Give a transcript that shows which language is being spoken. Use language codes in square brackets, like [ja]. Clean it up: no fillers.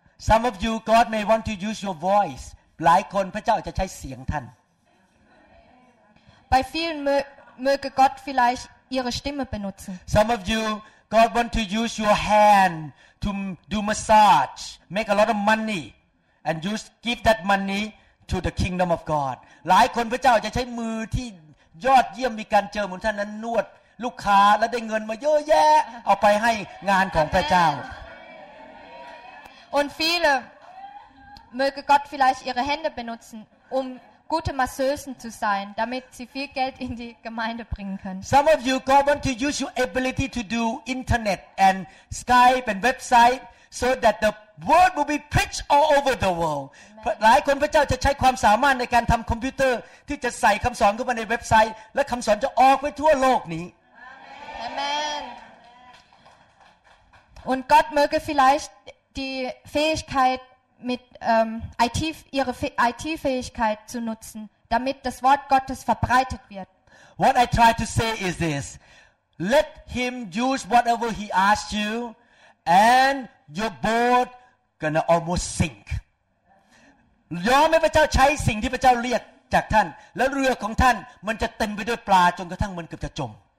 [en] Some of you, God may want to use your voice. [th] หลายคนพระเจ้าจะใช้เสียงท่าน [de] Bei vielen möge Gott vielleicht Ihre Stimme benutzen. [en] Some of you, God want to use your hand to do massage, make a lot of money, and just give that money. To the kingdom of God. [th] หลายคนพระเจ้าจะใช้มือที่ยอดเยี่ยมมีการเจอเหมือนท่านนั้นนวดลูกค้าและได้เงินมาเยอะแยะเอาไปให้งานของพระเจ้า [de] Und viele möge Gott vielleicht ihre Hände benutzen, um gute Masseusen zu sein, damit sie viel Geld in die Gemeinde bringen können. [en] Some of you God want to use your ability to do internet and Skype and website so that theWord will be preached all over the world. [th] หลายคนพระเจ้าจะใช้ความสามารถในการทำคอมพิวเตอร์ที่จะใส่คำสอนเข้ามาในเว็บไซต์และคำสอนจะออกไปทั่วโลกนี้ [en] Amen. [de] Und Gott möge vielleicht die Fähigkeit mit IT-Fähigkeit zu nutzen, damit das Wort Gottes verbreitet wird. [en] What I try to say is this: Let him use whatever he asks you, and your boat gonna almost sink. [th] ยอมให้พระเจ้าใช้สิ่งที่พระเจ้าเรียกจากท่านแล้วเรือของท่านมันจะเต็มไปด้วยปลาจนกระทั่งมันเกือบจะจม